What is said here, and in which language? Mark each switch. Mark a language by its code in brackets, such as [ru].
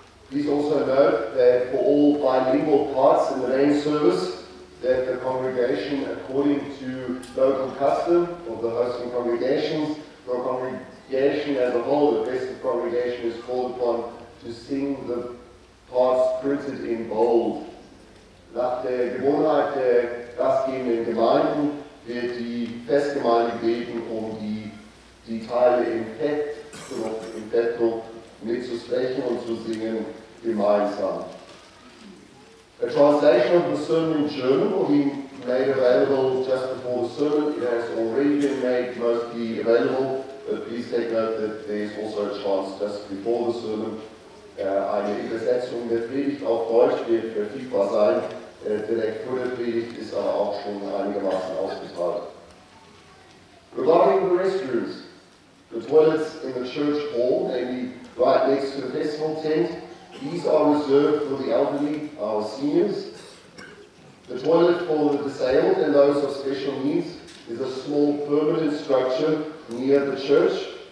[en] Please also note that for all bilingual parts in the main service, that the congregation, according to local custom of the hosting congregations, the congregation as a whole, the rest of the congregation is called upon to sing the parts printed in bold. [de] Nach der Gewohnheit der gastgebenden Gemeinden wird die Festgemeinde gebeten, um die Teile im Fettdruck mitzusprechen und zu singen gemeinsam. [en] A translation of the sermon in German will be made available just before the sermon. It has already been made mostly available, but please take note that there is also a chance just before the sermon. [de] Eine Übersetzung der Predigt auf Deutsch wird verfügbar sein. Direkt vor der Predigt ist aber auch schon einigermaßen ausgezahlt. [en] Regarding the restrooms, the toilets in the church hall, namely right next to the festival tent, these are reserved for the elderly, our seniors. The toilet for the disabled and those of special needs is a small permanent structure near the church.